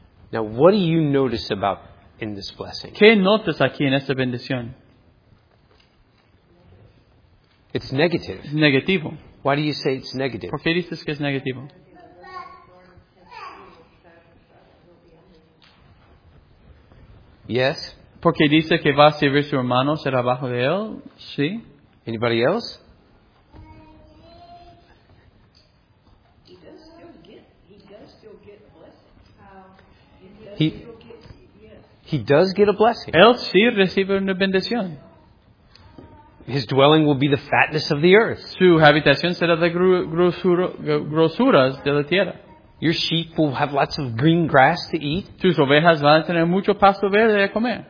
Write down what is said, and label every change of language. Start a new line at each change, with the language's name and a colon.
English: Now, what do you notice about in this blessing?
Spanish: ¿Qué notas aquí en esta bendición?
English: It's negative.
Spanish: Es negativo.
English: Why do you say it's negative?
Spanish: ¿Por qué dices que es negativo?
English: Yes.
Spanish: Porque dice que va a servir su hermano, será bajo de él. Sí.
English: Anybody else? He does get a blessing.
Spanish: Él sí recibe una bendición.
English: His dwelling will be the fatness of the earth.
Spanish: Su habitación será de grosuras de la tierra.
English: Your sheep will have lots of green grass to eat.
Spanish: Tus ovejas van a tener mucho pasto verde a comer.